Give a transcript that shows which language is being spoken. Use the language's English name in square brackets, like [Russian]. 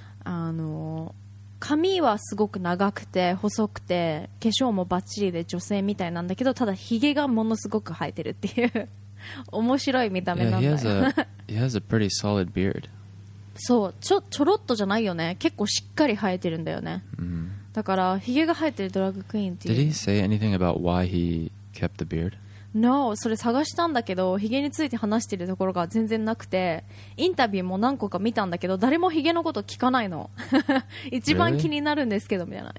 [Japanese] あの、髪はすごく長くて細くて化粧もバッチリで女性みたいなんだけど、ただヒゲがものすごく生えてるっていう面白い見た目なんだよ。 [English] Yeah, he has a pretty solid beard. [Japanese] そう、ちょろっとじゃないよね、結構しっかり生えてるんだよね、 mm-hmm. だからヒゲが生えてるドラッグクイーンっていう。 [English] Did he say anything about why he kept the beard? No, [Japanese] それ探したんだけどヒゲについて話してるところが全然なくて、インタビューも何個か見たんだけど誰もヒゲのこと聞かないの。一番気になるんですけどみたいな。